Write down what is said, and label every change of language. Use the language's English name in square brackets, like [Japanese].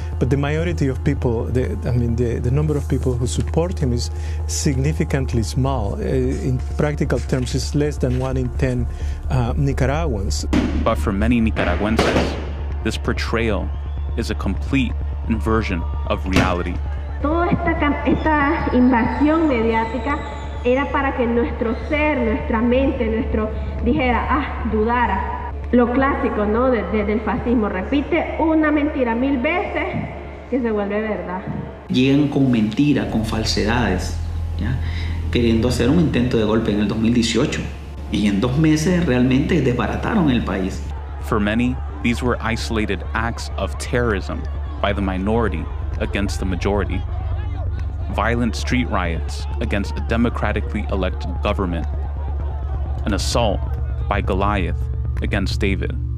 [English] But the majority of people, the number of people who support him is significantly small. In practical terms, it's less than 1 in 10 Nicaraguans. But for many Nicaraguenses, this portrayal is a complete inversion of reality. [Spanish] Toda esta invasión mediática era para que nuestro ser, nuestra mente, nuestro dijera, dudara. Lo clásico, ¿no? Del fascismo. Repite una mentira mil veces que se vuelve verdad. Llegan con mentiras, con falsedades, ¿ya? Queriendo hacer un intento de golpe en el 2018. Y en dos meses realmente desbarataron el país. [English] For many, these were isolated acts of terrorism by the minority against the majority. Violent street riots against a democratically elected government. An assault by Goliath against David.